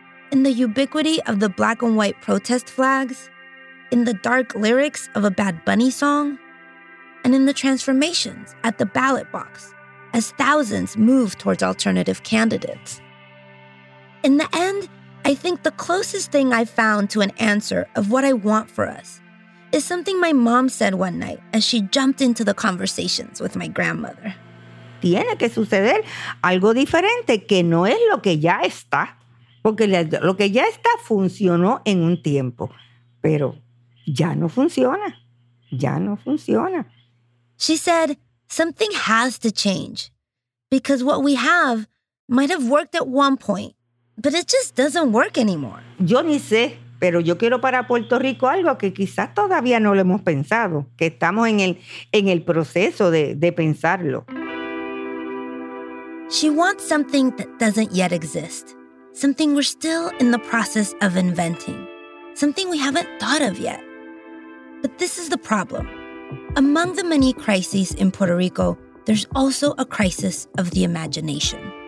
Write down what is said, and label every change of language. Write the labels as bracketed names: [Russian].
[English] In the ubiquity of the black and white protest flags, in the dark lyrics of a Bad Bunny song, and in the transformations at the ballot box as thousands move towards alternative candidates. In the end, I think the closest thing I've found to an answer of what I want for us is something my mom said one night as she jumped into the conversations with my grandmother. [Spanish] Tiene que suceder algo diferente que no es lo que ya está. Porque lo que ya está funcionó en un tiempo. Pero ya no funciona. Ya no funciona. [English] She said, something has to change. Because what we have might have worked at one point, but it just doesn't work anymore. [Spanish] Yo ni sé pero yo quiero para Puerto Rico algo que quizás todavía no lo hemos pensado, que estamos en el proceso de pensarlo. [English] She wants something that doesn't yet exist. Something we're still in the process of inventing. Something we haven't thought of yet. But this is the problem. Among the many crises in Puerto Rico, there's also a crisis of the imagination.